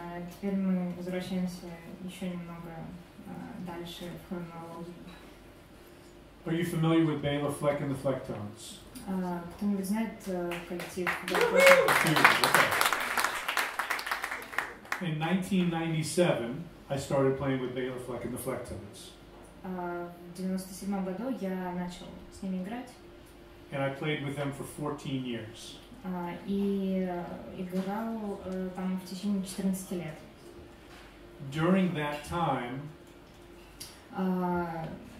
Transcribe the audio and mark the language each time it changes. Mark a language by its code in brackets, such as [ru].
[ru] Теперь мы возвращаемся еще немного дальше в хронологии. [en] Are you familiar with Bela Fleck and the Flecktones? [ru] Кто-нибудь знает коллектив? [en] In 1997, I started playing with Bela Fleck and the Flecktones. [ru] В 97 году я начал с ними играть. [en] And I played with them for 14 years. [ru] И играл там в течение 14 лет. [en] During that time,